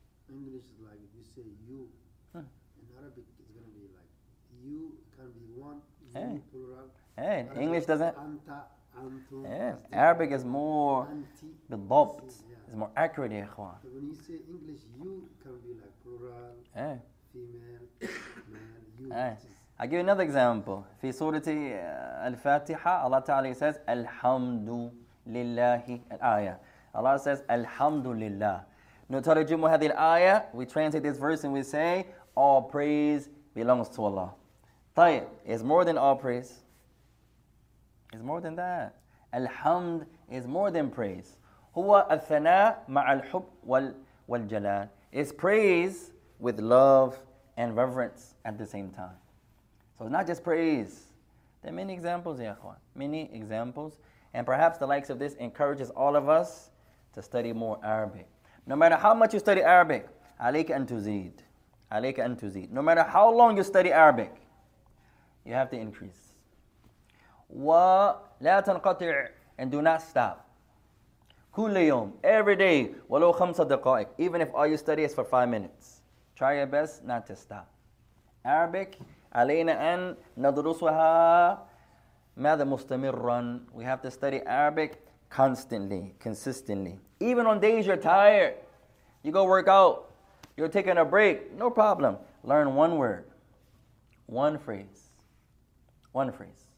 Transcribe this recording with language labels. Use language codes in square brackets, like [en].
[en] English is like, if you say you, in Arabic it's going to be like, you can be one, you plural. Hey, Arabic, English doesn't. [ar] Anta, antum, [en] yeah. Arabic is more بالضبط. It's more accurate, ya ikhwan. When you say English, you can be like plural, female, male, you. I'll give you another example. في سورة الفاتحة, Allah Ta'ala says, الحمد لله الآية. Allah says, الحمد لله. نترجم هذه الآية, we translate this verse and we say, all praise belongs to Allah. طيب, it's more than all praise. It's more than that. الحمد is more than praise. [ar] هو الثناء مع الحب والجلال. [en] It's praise with love and reverence at the same time. So it's not just praise. There are many examples, ya akhwan. Many examples. And perhaps the likes of this encourages all of us to study more Arabic. No matter how much you study Arabic, عليك أن تزيد. [ar] عليك أن تزيد. [en] No matter how long you study Arabic, you have to increase. ولا تنقطع and do not stop. كل يوم, every day, ولو خمس دقائق, even if all you study is for 5 minutes. Try your best not to stop. [ar] Arabic, علينا أن ندرسها ماذا مستمرا. [en] We have to study Arabic constantly, consistently. Even on days you're tired, you go work out, you're taking a break, no problem. Learn one word, one phrase, one phrase.